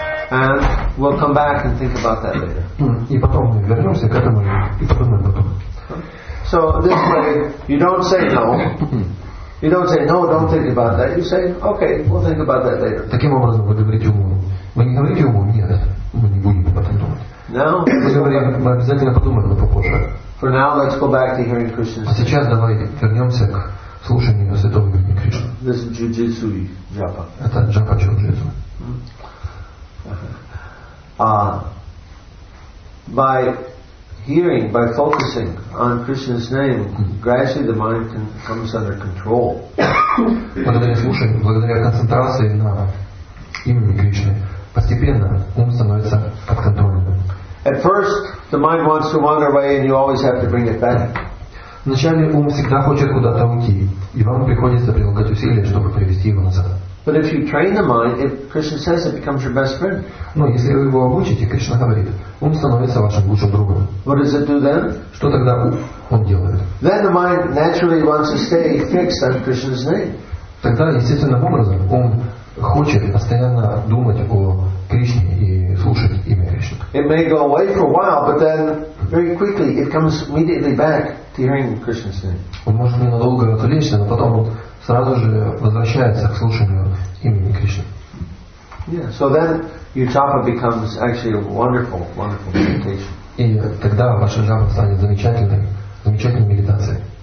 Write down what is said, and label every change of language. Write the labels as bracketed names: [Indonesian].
[English] And we'll come back and think about that later. [Russian] И потом мы вернемся к этому и подумаем потом. [English] So this way, you don't say no. You don't say, no, don't think about that. You say, okay, we'll think about that later. [Russian] Таким образом, вы говорите уму. Вы не говорите уму, нет, мы не будем об этом думать. [English] Now, [Russian] мы обязательно подумаем, но попозже. [English] For now, let's go back to hearing Krishna. [Russian] А сейчас давай вернемся к слушанию святого имени Кришны. [English] This is jiu-jitsu japa. [Russian] Это джапа джиу-джитсу. [English] By hearing, by focusing on Krishna's name, gradually the mind comes under control. [Russian] Благодаря слушанию, благодаря концентрации на имени Кришны, постепенно ум становится под контролем. [English] At first, The mind wants to wander away and you always have to bring it back. [Russian] Вначале ум всегда хочет куда-то уйти, и вам приходится прилагать усилия, чтобы привести его назад. [English] But if you train the mind, it, Krishna says it becomes your best friend. [Russian] Но если вы его обучите, Кришна говорит, он становится вашим лучшим другом. [English] What does it do then? [Russian] Что тогда он делает? [English] Then the mind naturally wants to stay fixed on Krishna's name. [Russian] Тогда естественным образом он хочет постоянно думать о Кришне и слушать имя Кришны. [English] It may go away for a while, but then very quickly it comes immediately back to hearing Krishna's name. [Russian] Он может ненадолго отвлечься, но потом вот сразу же возвращается к слушанию имени Кришны. [English] Yeah, so then Utapa becomes actually a wonderful, wonderful meditation. [Russian] И тогда ваша джапа станет замечательной, замечательной медитацией.